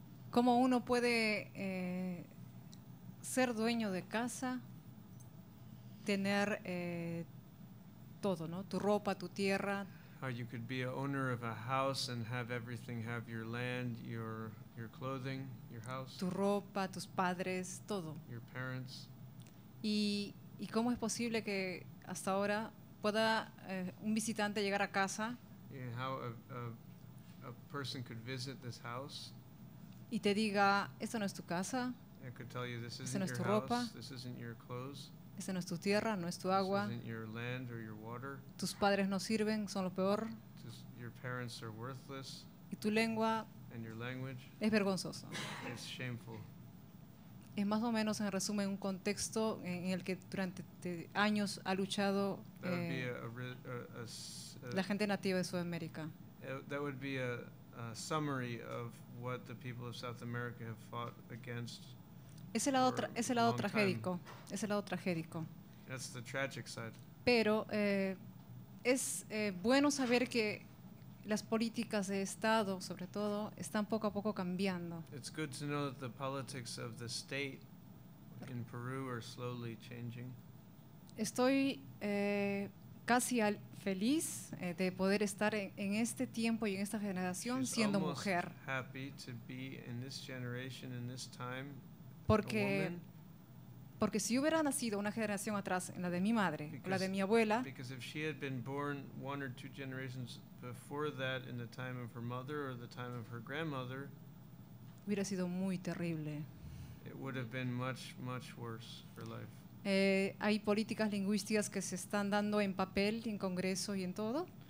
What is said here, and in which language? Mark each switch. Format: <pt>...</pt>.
<es>¿Cómo uno puede ser dueño de casa, tener todo, ¿no? Tu ropa, tu tierra.</es> <en>How you could be an owner of a house and have everything, have your land, your clothing, your house.</en> <es>Tu ropa, tus padres, todo.</es> <en>Your parents.</en> <es>Y cómo es posible que hasta ahora pueda un visitante llegar a casa.</es> <en>And how a person could visit this house.</en> <es>Y te diga, esto no es tu casa.</es> <en>It could tell you, this isn't</en> <es>no es</es> <en>your</en> <es>tu ropa.</es> <en>House, this isn't your clothes.</en> <es>Esa no es tu tierra, no es tu agua.</es> <en>This isn't your land or your water.</en> <es>Tus padres no sirven, son lo peor.</es> <en>Your parents are worthless.</en> <es>Y tu lengua</es> <en>and your language</en> <es>es vergonzoso.</es> <en>It's shameful.</en> <es>Es más o menos en resumen un contexto en el que durante años ha luchado la gente nativa de Sudamérica.</es> <en>That would be a summary of what the people of South America have fought against.</en> <es>Ese lado tragédico.</es> <en>That's the tragic side.</en> <es>Pero es bueno saber que las políticas de Estado, sobre todo, están poco a poco cambiando.</es> <en>It's good to know that the politics of the state in Peru are slowly changing.</en> <es>Estoy casi feliz de poder estar en este tiempo y en esta generación</es> <en>She's</en> <es>siendo mujer.</es> <en>Happy to be in this generation, in this time.</en> <es>Porque si hubiera nacido una generación atrás en la de mi madre,</es> <en>because,</en> <es>la de mi abuela,</es> <en>because if she had been born one or two generations before that in the time of her mother or the time of her grandmother,</en> <es>hubiera sido muy terrible.</es> <en>It would have been much, much worse for life.</en> <es>Hay políticas lingüísticas que se están dando en papel, en Congreso y en todo.</es>